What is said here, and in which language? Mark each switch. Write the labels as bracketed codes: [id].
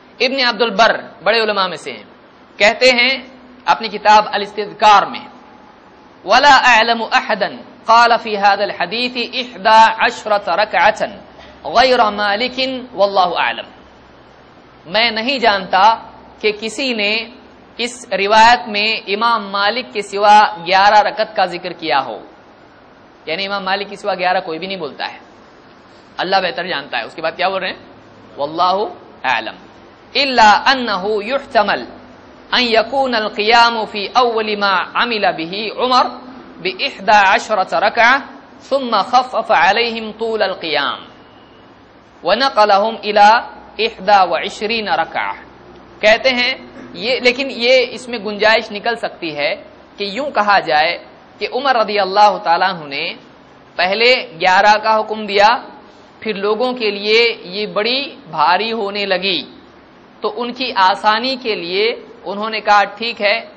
[ur] ابن عبد البر بڑے علماء میں سے ہیں, کہتے ہیں اپنی کتاب الاستذکار میں, [ar] ولا اعلم احدا قال في هذا الحديث 11 رکعت غير مالك والله اعلم, [ur] میں نہیں جانتا کہ کسی نے اس روایت میں امام مالک کے سوا 11 رکعت کا ذکر کیا ہو, یعنی امام مالک کے سوا 11 کوئی بھی نہیں بولتا ہے, اللہ بہتر جانتا ہے. اس کے بعد کیا بول رہے ہیں؟ [ar] واللہ اعلم. الا انه يحتمل ان يكون القيام في اول ما عمل به عمر بـ11 ركعة ثم خفف عليهم طول القيام ونقلهم الى 21 ركعة. [ur] کہتے ہیں یہ, لیکن یہ اس میں گنجائش نکل سکتی ہے کہ یوں کہا جائے کہ عمر رضی اللہ تعالیٰ عنہ نے پہلے 11 کا حکم دیا, پھر لوگوں کے لیے یہ بڑی بھاری ہونے لگی تو ان کی آسانی کے لیے انہوں نے کہا ٹھیک ہے